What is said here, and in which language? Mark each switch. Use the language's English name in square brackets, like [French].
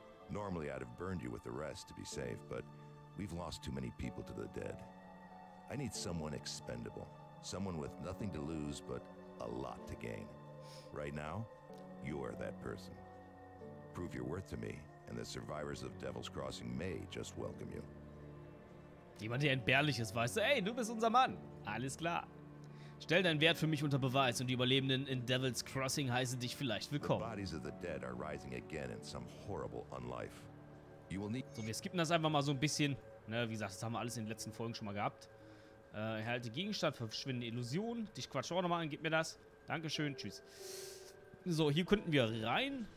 [English] Normally I'd have burned you with the rest to be safe, but we've lost too many people to the dead. I need someone expendable. Someone with nothing to lose, but a lot to gain. Right now, you're that person. Prove your worth to me, and the survivors of Devil's Crossing may just welcome you. [German] Jemand, der entbehrlich ist, weißt du, ey, du bist unser Mann. Alles klar. Stell deinen Wert für mich unter Beweis und die Überlebenden in Devil's Crossing heißen dich vielleicht willkommen. [English] The bodies of the dead are rising again in some horrible unlife. You will need. [German] So, wir skippen das einfach mal so ein bisschen. Ne, wie gesagt, das haben wir alles in den letzten Folgen schon mal gehabt. Erhalte Gegenstand, verschwindende Illusionen. Dich quatsch auch nochmal an, gib mir das. Dankeschön, tschüss. So, hier könnten wir rein.